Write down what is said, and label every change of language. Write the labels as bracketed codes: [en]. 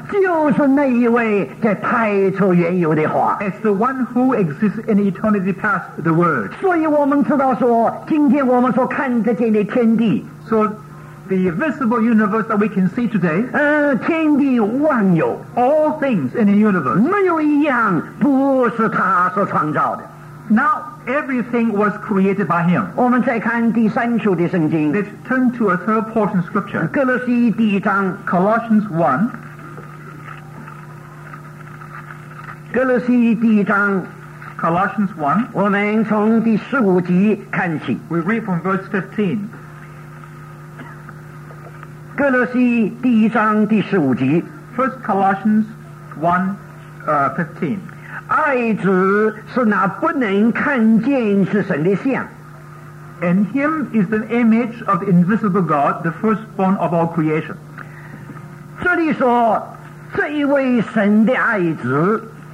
[zh] 就是那一位在太初原有的话。 [en] It's the one who exists in eternity past the Word. [zh] 所以我们知道说，今天我们所看得见的天地。 [en] So the visible universe that we can see today. [zh] 天地万有。 [en] All things in the universe. [zh] 没有一样不是他所创造的。 [en] Now everything was created by him. [zh] 我们再看第三处的圣经。 [en] Let's turn to a third portion of scripture. [zh] 哥罗西第一章, [en] Colossians 1. [zh] 哥罗西第一章, [en] Colossians 1. [zh] 我们从第十五集看起。 [en] We read from verse 15. [zh] 哥罗西第一章第十五集。 [en] First Colossians 1, 15. [zh] 爱子是那不能看见是神的像。 [en] And him is the image of the invisible God, the firstborn of all creation. [zh] 这里说这一位神的爱子。